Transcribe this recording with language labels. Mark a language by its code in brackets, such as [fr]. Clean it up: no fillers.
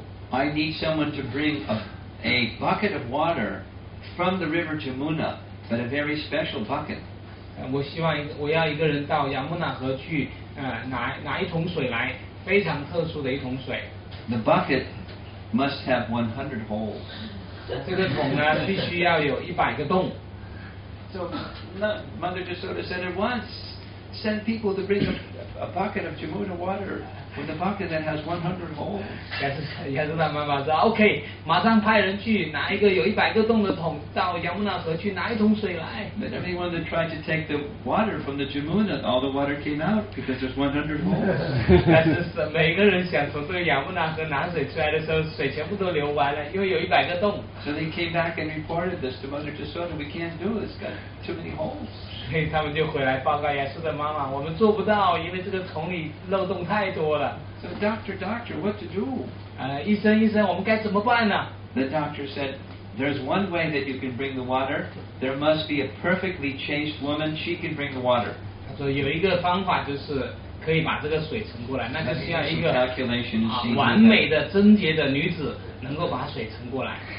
[en] I need someone to bring a bucket of water from the river Jamuna, but a very special bucket. [zh] 我要一个人到亚穆纳河去，拿一桶水来，非常特殊的一桶水。 [en] The bucket. Must have 100 holes. [zh] 这个桶呢，必须要有100个洞。 [en] So, Mother Jasoda said at once, send people to bring a bucket of Jamuna water with a bucket that has 100 holes. [zh] 亚瑟的妈妈说 ，OK， 马上派人去拿一个有100个洞的桶到亚穆纳河去拿一桶水来。 [en] But anyone that tried to take the water from the Jamuna, all the water came out because there's 100 holes. [zh] 但是每个人想从这个亚穆纳河拿水出来的时候，水全部都流完了，因为有100个洞。 [en] So they came back and reported this to Mother Jasoda. We can't do this. Got too many holes. [zh] 所以他们就回来报告亚瑟的妈妈，我们做不到，因为这个桶里漏洞太多了。 [en] So doctor, what to do? [zh] 医生医生，我们该怎么办呢？ [en] The doctor said, there's one way that you can bring the water. There must be a perfectly chaste woman. She can bring the water. [zh] 他说有一个方法就是可以把这个水盛过来，那就需要一个 [en] calculation [zh] 完美的贞洁的女子能够把水盛过来。